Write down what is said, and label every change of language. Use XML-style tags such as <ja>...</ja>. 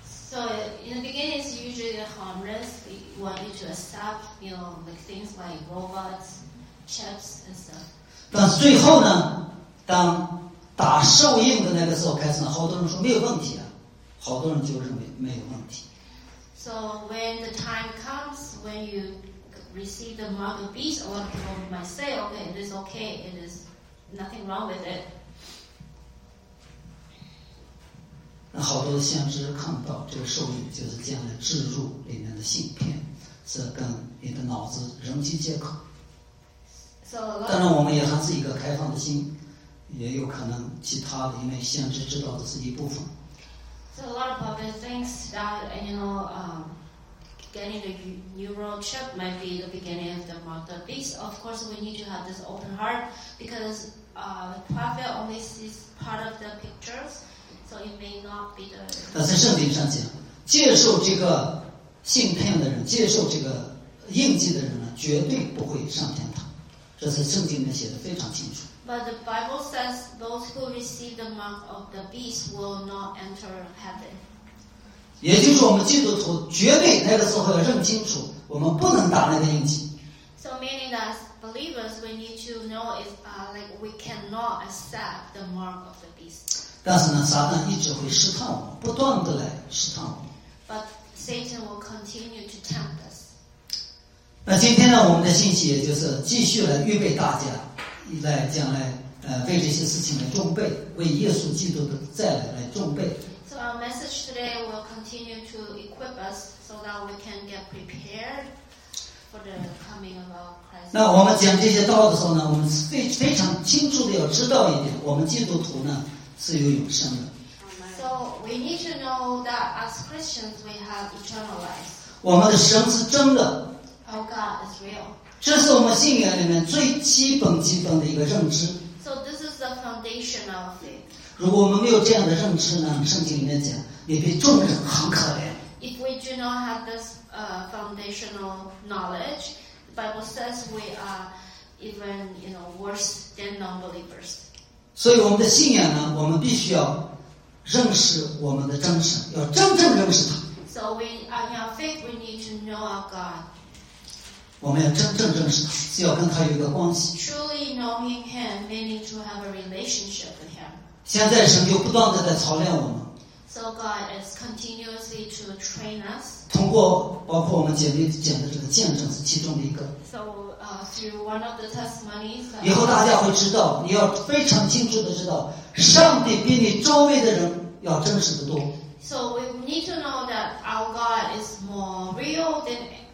<en>So in the beginning, it's usually harmless. We want you to accept, you know, like things like robots, chips, and stuff.</en> <zh>但是最后呢，当打兽印的那个时候开始呢，好多人说没有问题啊，好多人就认为没有问题。</zh> <en>So when the time comes when you receive the mark of beast, a lot of people might say, okay, it is okay, it is nothing wrong with it.</en> <zh>那好多的先知看到这个兽印，就是将来植入里面的芯片，是跟你的脑子人机接口。当然我们也还是一个开放的心，也有可能其他的，因为先知知道的是一部分。</zh> <en>So a lot of people think that, you know, getting the neural chip might be the beginning of the mark of the beast. Of course, we need to have this open heart because the prophet only sees part of the pictures, so it may not be the.</en> <zh>但在圣经上讲，接受这个芯片的人，接受这个印记的人呢，绝对不会上天堂。这是圣经里面写的非常清楚。</zh> <en>But the Bible says those who receive the mark of the beast will not enter heaven.</en> <zh>也就是我们基督徒绝对那个时候要认清楚，我们不能打那个印记。</zh> <en>So meaning that believers we need to know is like we cannot accept the mark of the beast.</en> <zh>但是呢，撒旦一直会试探我们，不断的来试探我们。</zh> <en>But Satan will continue to tempt us.</en> <zh>那今天呢，我们的信息也就是继续来预备大家，来将来为这些事情来准备，为耶稣基督的再来来准备。</zh> <en>So our message today will continue to equip us so that we can get prepared for the coming of our Christ.</en> <zh>那我们讲这些道的时候呢，我们非常清楚的要知道一点，我们基督徒呢是有永生的。</zh> <en>So we need to know that as Christians we have eternal life.</en> <zh>我们的神是真的。</zh> <en>Oh God is real.</en> <zh>这是我们信仰里面最基本的一个认知。</zh> <en>So this is the foundation of faith.</en> <zh>如果我们没有这样的认知呢，圣经里面讲，你比众人很可怜。</zh> <en>If we do not have this foundational knowledge, the Bible says we are even, you know, worse than non-believers.</en> <zh>所以我们的信仰呢，我们必须要认识我们的真神，要真正认识他。</zh> <en>So we are in our faith, we need to know our God.</en> <zh>我们要真正认识他，是要跟他有一个关系。</zh> <en>Truly knowing him, meaning to have a relationship with him.</en> <zh>现在神就不断的在操练我们。</zh> <en>So God is continuously to train us.</en> <zh>通过包括我们姐妹讲的这个见证是其中的一个。</zh> <en>So through one of the testimonies.</en> <zh>以后大家会知道，你要非常清楚的知道，上帝比你周围的人要真实的多。</zh> <en>So we need to know that our God is more real than.</en>